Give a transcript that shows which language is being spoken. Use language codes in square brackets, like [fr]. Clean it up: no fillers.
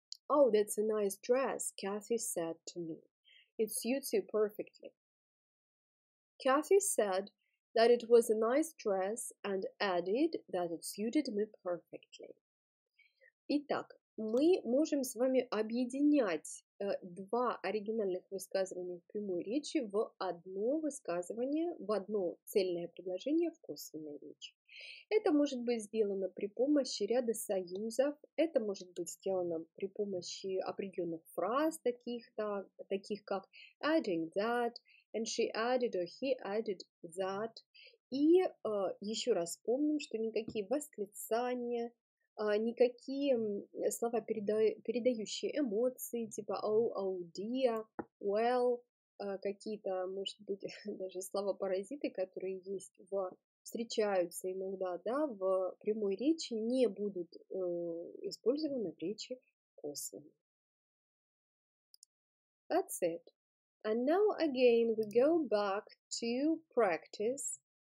[en] Oh, that's a nice dress, Kathy said to me. It suits you perfectly. Kathy said that it was a nice dress and added that it suited me perfectly. [ru] Итак, мы можем с вами объединять два оригинальных высказывания в прямой речи в одно высказывание, в одно цельное предложение в косвенной речи. Это может быть сделано при помощи ряда союзов, это может быть сделано при помощи определенных фраз, таких как [en] adding that, and she added or he added that. [ru] И еще раз помним, что никакие восклицания, никакие слова, передающие эмоции, типа oh, dear, well, какие-то, может быть, даже слова-паразиты, которые есть встречаются иногда, да, в прямой речи, не будут использованы в речи косвенной. [en] That's it. And now again we go back to practice.